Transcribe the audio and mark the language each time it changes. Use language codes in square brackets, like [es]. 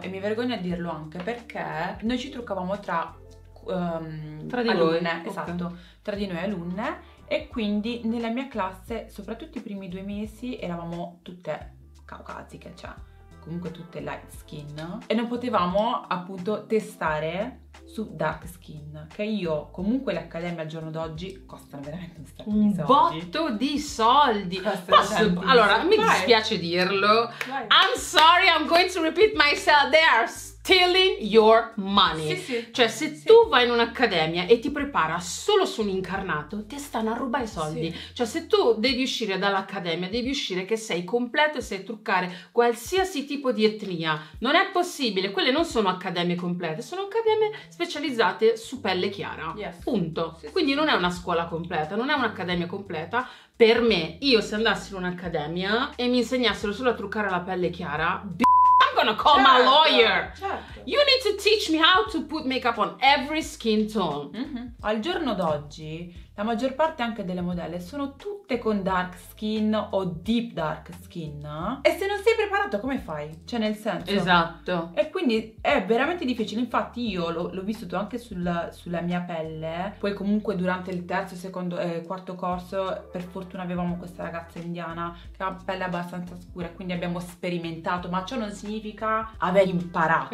[it] E mi vergogno a dirlo anche perché noi ci truccavamo tra di noi alunne, e quindi nella mia classe, soprattutto i primi 2 mesi, eravamo tutte caucasiche, cioè comunque tutte light skin, e non potevamo appunto testare su dark skin, che io comunque le accademie al giorno d'oggi costano veramente un botto di soldi. Mi dispiace dirlo. [en] I'm sorry, I'm going to repeat myself, there. Stealing your money. [it] Sì, sì. Cioè, se tu vai in un'accademia e ti prepara solo su un incarnato, ti stanno a rubare i soldi. Sì. Cioè, se tu devi uscire dall'accademia, devi uscire che sei completo e sai truccare qualsiasi tipo di etnia. Non è possibile. Quelle non sono accademie complete, sono accademie specializzate su pelle chiara. [en] Yes. [it] Punto. Sì, sì. Quindi non è una scuola completa, non è un'accademia completa. Per me, io se andassi in un'accademia e mi insegnassero solo a truccare la pelle chiara, [en] gonna call my lawyer. [it] Certo. [en] You need to teach me how to put makeup on every skin tone. Mm-hmm. [it] Al giorno d'oggi la maggior parte anche delle modelle sono tutte con dark skin o deep dark skin, e se non sei preparato come fai? Cioè, nel senso, esatto, e quindi è veramente difficile. Infatti io l'ho vissuto anche sulla mia pelle, poi comunque durante il terzo, secondo, quarto corso, per fortuna avevamo questa ragazza indiana che ha pelle abbastanza scura, quindi abbiamo sperimentato, ma ciò non significa aver imparato.